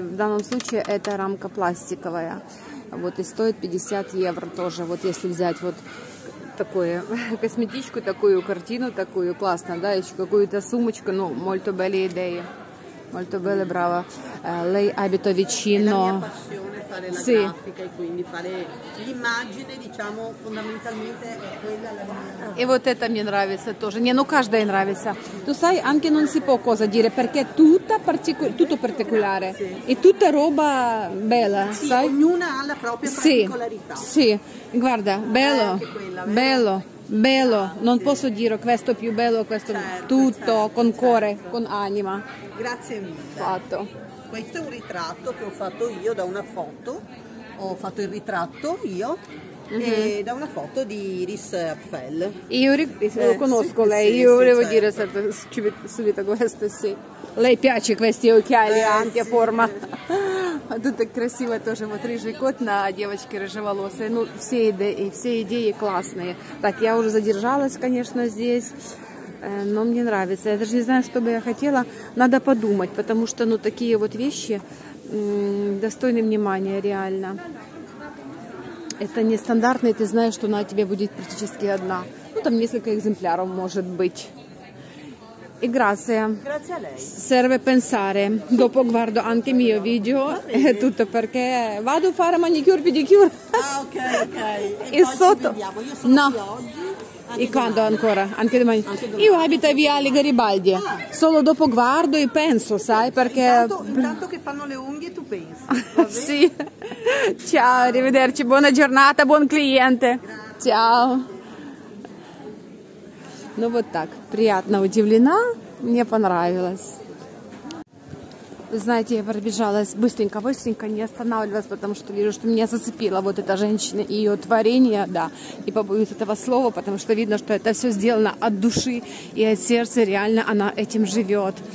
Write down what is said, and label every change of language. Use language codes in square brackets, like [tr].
[ru] В данном случае это рамка пластиковая. Вот и стоит 50 евро тоже. Вот если взять вот такую косметичку, такую картину, такую классно, да, еще какую-то сумочку, ну, [it] molto belle idee, molto belle, [ru] браво. [it] Lei abito vicino. Sì. L'immagine, diciamo, fondamentalmente è quella la mia. [ru] E вот это мне нравится тоже. Не, ну, каждой нравится. [it] Tu sai, anche non si può cosa dire, perché tutto particolare. E tutta roba bella, sì, sai? Ognuna ha la propria particolarità. Sì, sì. Guarda, bello. Bello, bello, non posso dire questo più bello, questo certo, tutto certo, con cuore, certo. Con anima. Grazie mille. Fatto. Questo è un ritratto che ho fatto io da una foto, ho fatto il ritratto io e da una foto di Iris Apfel. Io lo conosco, sì, lei, sì, io sì, volevo dire certo, subito questo, sì. Lei piace questi occhiali anche a sì, forma. Sì. [ru] Тут так красиво тоже, вот рыжий кот на девочке рыжеволосой. Ну, все идеи классные. Так, я уже задержалась, конечно, здесь, но мне нравится. Я даже не знаю, что бы я хотела. Надо подумать, потому что, ну, такие вот вещи достойны внимания, реально. Это нестандартно, и ты знаешь, что она тебе будет практически одна. Ну, там несколько экземпляров может быть. [it] E grazie. Grazie a lei. Serve pensare. Sì. Dopo guardo anche il mio video. È tutto perché vado a fare manicure, pedicure. Ah, ok, ok. E poi sotto. Ci vediamo. Io sono qui oggi. E quando ancora? Anche domani. Io abito a Viale Garibaldi. Ah. Solo dopo guardo e penso, sai, perché... Intanto che fanno le unghie tu pensi. Sì. Ciao, arrivederci. Buona giornata, buon cliente. Grazie. Ciao. [ru] Ну вот так, приятно удивлена, мне понравилось. Вы знаете, я пробежалась быстренько, не останавливалась, потому что вижу, что меня зацепила вот эта женщина и ее творение, да. И побоюсь этого слова, потому что видно, что это все сделано от души и от сердца, реально она этим живет.